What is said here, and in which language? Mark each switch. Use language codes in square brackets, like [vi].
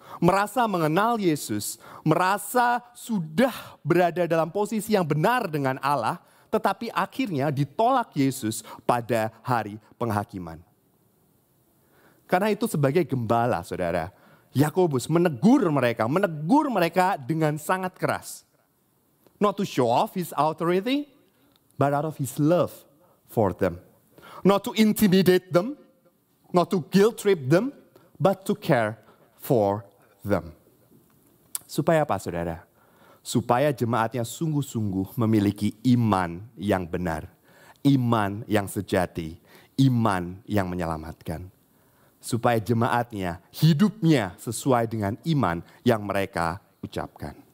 [id] Merasa mengenal Yesus, merasa sudah berada dalam posisi yang benar dengan Allah, tetapi akhirnya ditolak Yesus pada hari penghakiman. Karena itu sebagai gembala, saudara, Yakobus menegur mereka dengan sangat keras. [en] Not to show off his authority, but out of his love for them. Not to intimidate them, not to guilt trip them, but to care for them. [id] Supaya apa, saudara? Supaya jemaatnya sungguh-sungguh memiliki iman yang benar, iman yang sejati, iman yang menyelamatkan. Supaya jemaatnya hidupnya sesuai dengan iman yang mereka ucapkan.